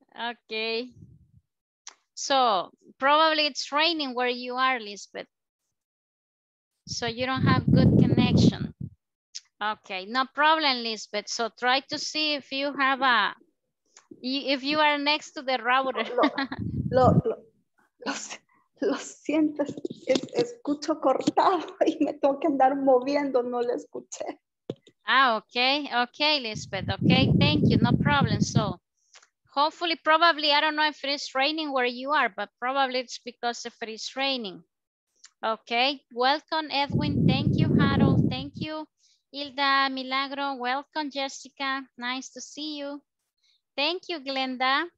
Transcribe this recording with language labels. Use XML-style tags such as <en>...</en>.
<en>Okay. So probably it's raining where you are, Lisbeth. So you don't have good connection. Okay, no problem, Lisbeth. So try to see if you have a, if you are next to the router.</en> <es>Lo siento, escucho cortado y me tengo que andar moviendo, no lo escuché.</es> <en>Ah, okay, okay, Lisbeth. Okay, thank you, no problem. So. Hopefully, probably, I don't know if it is raining where you are, but probably it's because if it is raining. Okay, welcome, Edwin. Thank you, Harold. Thank you, Hilda Milagro. Welcome, Jessica. Nice to see you. Thank you, Glenda.</en>